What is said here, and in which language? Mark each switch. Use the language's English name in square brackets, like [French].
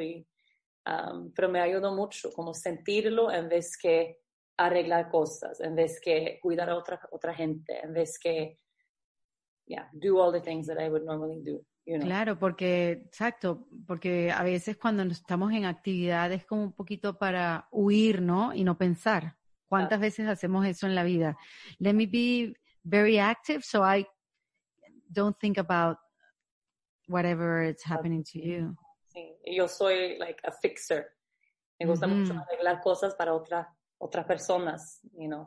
[Spanish] Y, pero me ayudó mucho como sentirlo en vez que arreglar cosas, en vez que cuidar a otra gente, en vez que, [English] do all the things that I would normally do. You know. [Spanish] Claro, porque, exacto, porque a veces cuando estamos en actividad es como un poquito para huir, ¿no? Y no pensar. ¿Cuántas veces hacemos eso en la vida? [English] Let me be very active so I don't think about whatever is happening to you. [Spanish] Sí, yo soy [English] like a fixer. [Spanish] Me gusta mucho arreglar cosas para otras personas, [English] you know.